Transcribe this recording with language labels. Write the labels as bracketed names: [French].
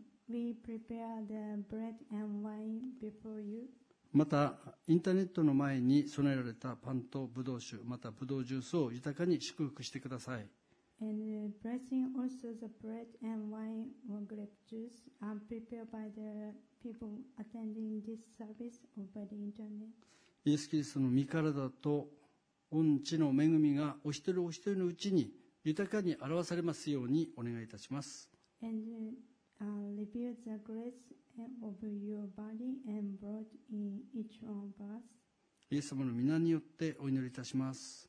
[English] We prepare the bread and wine before you. [Japanese] またインターネットの前に備えられたパンとブドウ酒、またブドウジュースを豊かに祝福してください。 [English] And blessing also the bread and wine or grape juice. news prepared by the people attending this service or by the internet. [Japanese] イエス・キリストの御体と御血の恵みがお一人お一人のうちに豊かに表されますようにお願いいたします。イエス様の御名によってお祈りいたします。